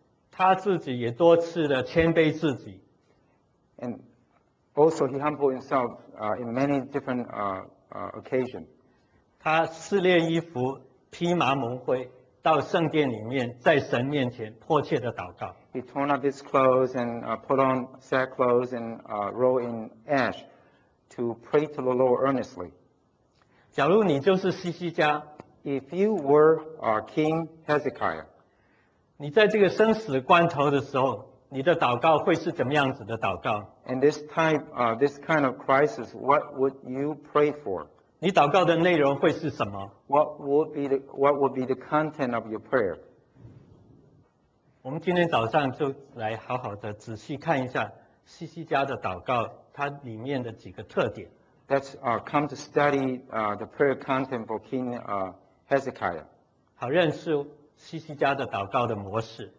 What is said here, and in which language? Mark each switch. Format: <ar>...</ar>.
<zh>他自己也多次的谦卑自己。</zh> <en>And also he humbled himself in many different occasions.</en> <zh>他撕裂衣服，披麻蒙灰，到圣殿里面，在神面前迫切的祷告。</zh> <en>He torn up his clothes and put on sackcloth and rolled in ash to pray to the Lord earnestly.</en> <zh>假如你就是西西家，</zh> <en>If you were King Hezekiah,</en> <zh>你在这个生死关头的时候，你的祷告会是怎么样子的祷告？</zh> <en>And this type, this kind of crisis, what would you pray for?</en> <zh>你祷告的内容会是什么？</zh> <en>What would be the content of your prayer?</en> <zh>我们今天早上就来好好的仔细看一下西西家的祷告，它里面的几个特点。</zh> <en>Let's come to study the prayer content for King Hezekiah.</en> <zh>好认识西西家的祷告的模式。</zh>